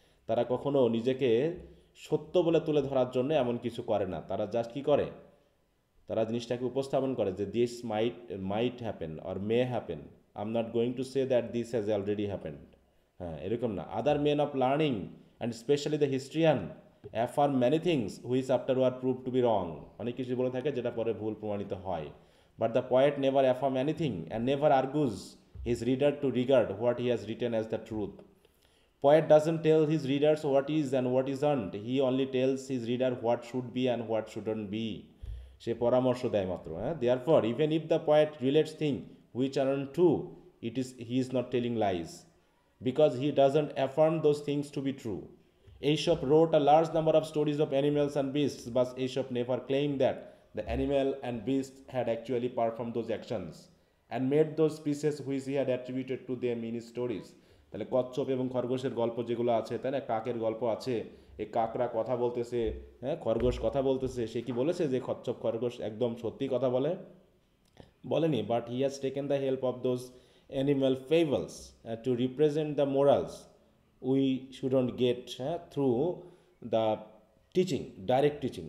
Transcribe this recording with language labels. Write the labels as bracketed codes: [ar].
[bn] তারা কখনো নিজেকে সত্য বলে তুলে ধরার জন্য এমন কিছু করে না, তারা জাস্ট কী করে তারা জিনিসটাকে উপস্থাপন করে যে [en] This might happen or may happen, am not going to say that this has already happen. [bn] হ্যাঁ, এরকম না। [en] other men of learning and specially the historian affirm many things which after war prove to be wrong, [bn] অনেক কিছু বলে থাকে যেটা পরে ভুল প্রমাণিত হয়। [en] But the poet never affirm anything and never argues his reader to regard what he has written as the truth. Poet doesn't tell his readers what is and what isn't, he only tells his reader what should be and what shouldn't be. [bn] She paramarsho day matro. [en] Therefore, even if the poet relates things which aren't true, he is not telling lies, because he doesn't affirm those things to be true. Aesop wrote a large number of stories of animals and beasts, but Aesop never claimed that the animal and beast had actually performed those actions and made those pieces which he had attributed to them in his stories. [bn] তাহলে কচ্ছপ এবং খরগোশের গল্প যেগুলো আছে, তাই না, কাকের গল্প আছে, এই কাকরা কথা বলতেছে, হ্যাঁ খরগোশ কথা বলতেছে, সে কি বলেছে যে কচ্ছপ খরগোশ একদম সত্যি কথা বলে? বলেনি, [en] But he has taken the help of those animal fables to represent the morals we shouldn't get through the teaching, direct teaching.